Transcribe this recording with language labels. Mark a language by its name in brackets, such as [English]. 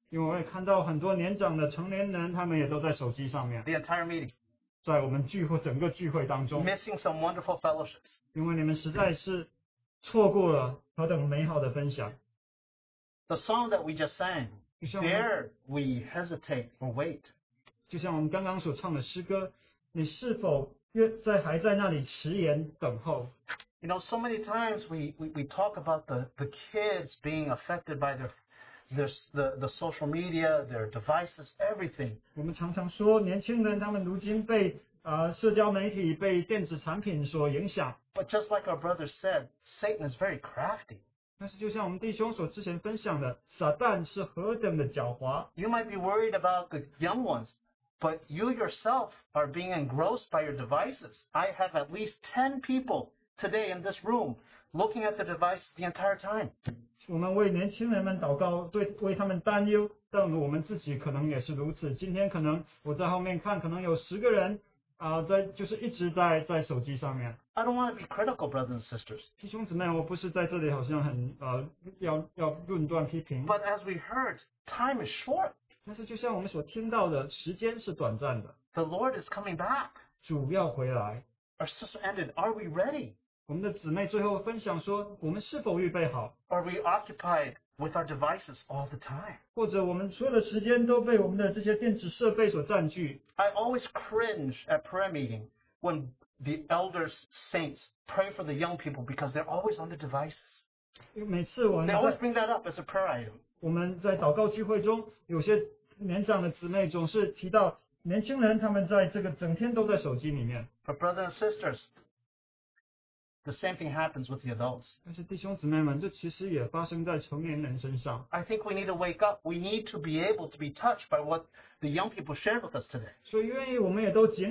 [Chinese] 因为我也看到很多年长的成年人，他们也都在手机上面。 [English] The entire meeting. [Chinese] 在我们聚会整个聚会当中。 [English] Missing some wonderful fellowships. [Chinese] 因为你们实在是错过了何等美好的分享。 [English] The song that we just sang, dare we hesitate or wait? [Chinese] 就像我们刚刚所唱的诗歌，你是否？因为在还在那里迟延等候。 [English] You know, so many times we talk about the kids being affected by the social media, their devices, everything. [Chinese] 我们常常说年轻人他们如今被社交媒体被电子产品所影响。 [English] But just like our brother said, Satan is very crafty. [Chinese] 但是就像我们弟兄所之前分享的，撒旦是何等的狡猾。 [English] You might be worried about the young ones. But you yourself are being engrossed by your devices. I have at least 10 people today in this room looking at the device the entire time. [Chinese] 我们为年轻人们祷告，对为他们担忧，但我们自己可能也是如此。今天可能我在后面看，可能有十个人在就是一直在手机上面。 [English] I don't want to be critical, brothers and sisters. [Chinese] 弟兄姊妹，我不是在这里好像很要论断批评。 [English] But as we heard, time is short. [Chinese] 但是就像我们所听到的，时间是短暂的。 [English] The Lord is coming back. [Chinese] 主要回来。 [English] Our service ended. Are we ready? [Chinese] 我们的姊妹最后分享说，我们是否预备好？ [English] Are we occupied with our devices all the time? [Chinese] 或者我们除了时间都被我们的这些电子设备所占据？ [English] I always cringe at prayer meeting when the elders, saints, pray for the young people because they're always on the devices. [Chinese] 每次我们在, [English] they always bring that up as a prayer item. [Chinese] 我们在祷告机会中，有些年长的姊妹总是提到年轻人他们在这个整天都在手机里面。 [English] But brothers and sisters, the same thing happens with the adults. [Chinese] 但是弟兄姊妹们, [English] I think we need to wake up. We need to be able to be touched by what the young people share with us today.